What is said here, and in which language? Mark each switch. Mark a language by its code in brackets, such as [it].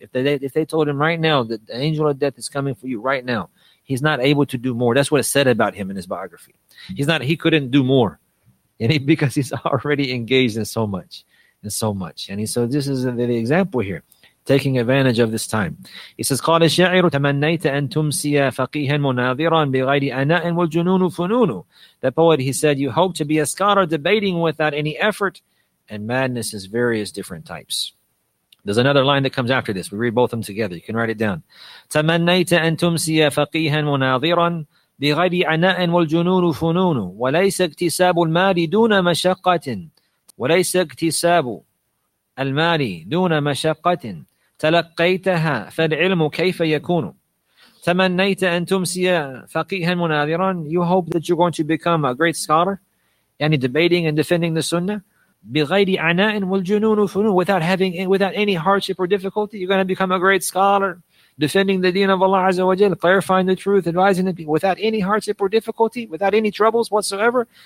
[en] If they told him right now that the angel of death is coming for you right now, he's not able to do more. That's what it said about him in his biography. He couldn't do more, because he's already engaged in so much, And so this is the example here. Taking advantage of this time. He says, [ar] قال الشاعر تمنيت أن تمسي فقيها مناظرا بغير أناء والجنون فنون. [en] The poet, he said, you hope to be a scholar debating without any effort, and madness is various different types. There's another line that comes after this. We read both of them together. You can write it down. [ar] تمنيت أن تمسي فقيها مناظرا بغير أناء والجنون فنون وليس اكتساب المال دون مشقة وليس اكتساب المال دون مشقة تلقيتها فالعلم كيف يكون تمنيت أن تمسي فقيها مناظرا. [en] You hope that you're going to become a great scholar, debating and defending the sunnah, [ar] بغير عناء والجنون فنون, [en] without any hardship or difficulty. You're going to become a great scholar defending the deen of Allah Azza wa Jal, clarifying the truth, advising the people without any hardship or difficulty, without any troubles whatsoever.